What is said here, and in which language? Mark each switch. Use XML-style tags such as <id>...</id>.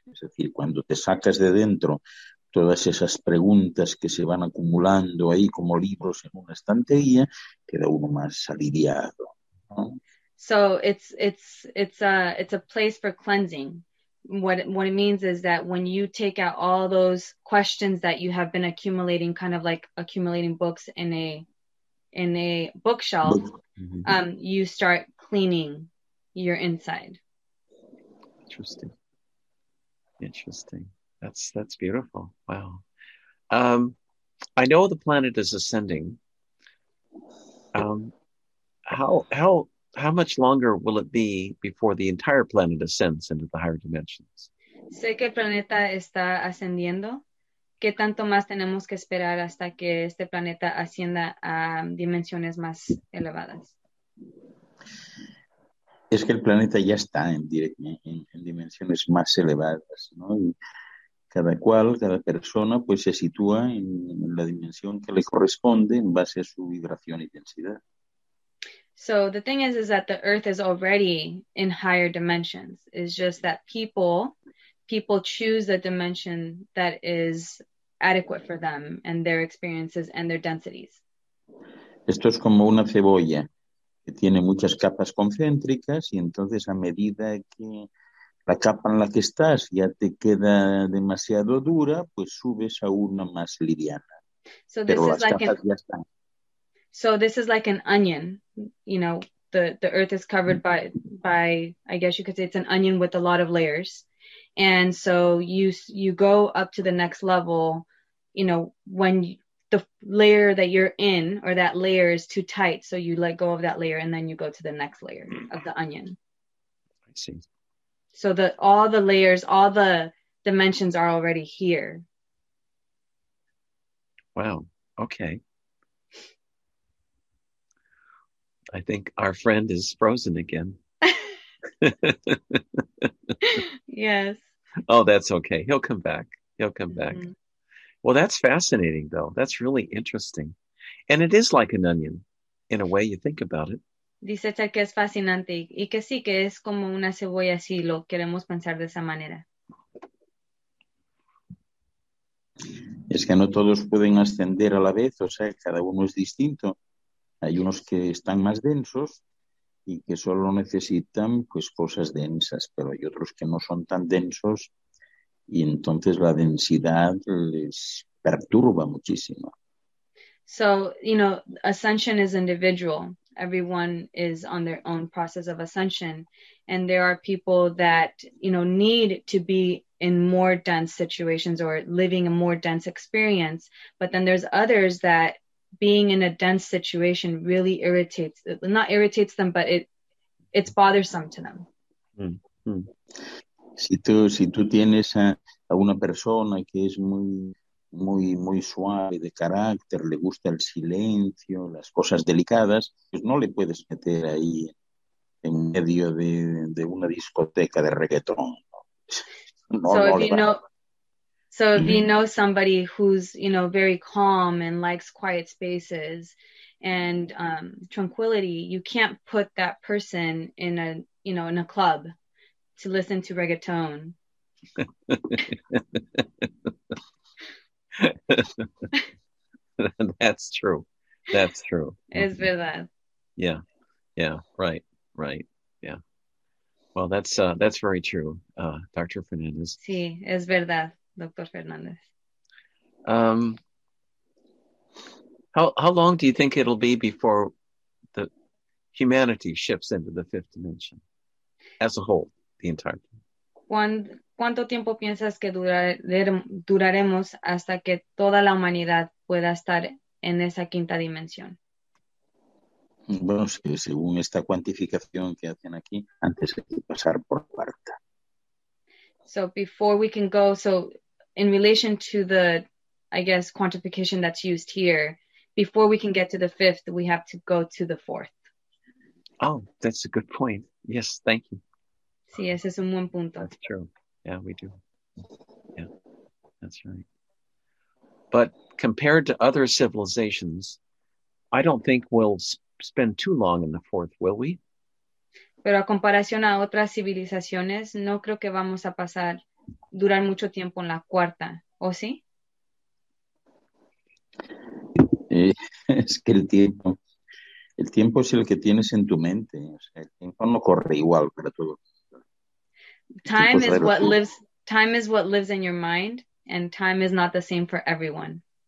<es>Es decir, cuando te sacas de dentro todas esas preguntas que se van acumulando ahí como libros en una estantería, queda uno más aliviado, ¿no?</es> <en>So it's a place for cleansing. What it means is that when you take out all those questions that you have been accumulating, kind of like accumulating books in a bookshelf, mm-hmm. You start cleaning your inside. Interesting. That's beautiful. Wow. I know the planet is ascending. How much longer will it be before the entire planet ascends into the higher dimensions?</en> <es>Sé que el planeta está ascendiendo. ¿Qué tanto más tenemos que esperar hasta que este planeta ascienda a dimensiones más elevadas? Es que el planeta ya está en dimensiones más elevadas, ¿no? Cada cual, cada persona, pues se sitúa en la dimensión que le corresponde en base a su vibración y densidad.</es> <en>So the thing is that the Earth is already in higher dimensions. It's just that people choose the dimension that is adequate for them and their experiences and their densities.</en> <es>Esto es como una cebolla que tiene muchas capas concéntricas y entonces a medida que la capa en la que estás ya te queda demasiado dura, pues subes a una más liviana.</es> <en>So this</en> <es>pero</es> <en>is like</en> <es>capas</es> <en>an,</en> <es>ya están.</es> <en>So this is like an onion. You know, the earth is covered by, I guess you could say it's an onion with a lot of layers. And so you go up to the next level, you know, when the layer that you're in or that layer is too tight. So you let go of that layer and then you go to the next layer of the onion. I see. So that all the layers, all the dimensions are already here. Wow. Okay. I think our friend is frozen again. Yes. Oh, that's okay. He'll come back. He'll come back. Well, that's fascinating, though. That's really interesting. And it is like an onion, in a way you think about it.</en> <es>Dice Ter que es fascinante y que sí, que es como una cebolla si lo queremos pensar de esa manera. Es que no todos pueden ascender a la vez, o sea, cada uno es distinto. Hay unos que están más densos y que solo necesitan pues cosas densas, pero hay otros que no son tan densos y entonces la densidad les perturba muchísimo.</es> <en>So, you know, ascension is individual. Everyone is on their own process of ascension. And there are people that, you know, need to be in more dense situations or living a more dense experience. But then there's others that being in a dense situation really irritates, not irritates them, but it's bothersome to them. Mm-hmm.</en> <es>Si tú tienes a una persona que es muy, muy, muy suave de carácter, le gusta el silencio, las cosas delicadas, pues no le puedes meter ahí en medio de una discoteca de reggaetón.</es> <en>If you know somebody who's, you know, very calm and likes quiet spaces and tranquility, you can't put that person in a, you know, in a club to listen to reggaeton. That's true. That's true.</en> <es>Es verdad.</es> <en>Yeah. Yeah. Right. Right. Yeah. Well, that's very true, Dr. Fernandez.</en> <es>Sí, es verdad, Dr. Fernandez.</es> <en>How long do you think it'll be before the humanity shifts into the fifth dimension as a whole, the entire time?</en> <es>¿Cuánto tiempo piensas que duraremos hasta que toda la humanidad pueda estar en esa quinta dimensión? Bueno, según esta cuantificación que hacen aquí, antes de pasar por cuarta.</es> <en>So before we can go, so in relation to the, I guess, quantification that's used here, before we can get to the fifth, we have to go to the fourth. Oh, that's a good point. Yes, thank you.</en> <es>Sí, ese es un buen punto.</es> <en>That's true. Yeah, we do. Yeah, that's right. But compared to other civilizations, I don't think we'll spend too long in the fourth, will we?</en> <es>Pero a comparación a otras civilizaciones, no creo que vamos a pasar durar mucho tiempo en la cuarta, ¿o sí? Es que el tiempo es el que tienes en tu mente. O sea, el tiempo no corre igual para todo.</es> <en>Time is what lives in your mind, and time is not the same for everyone.</en>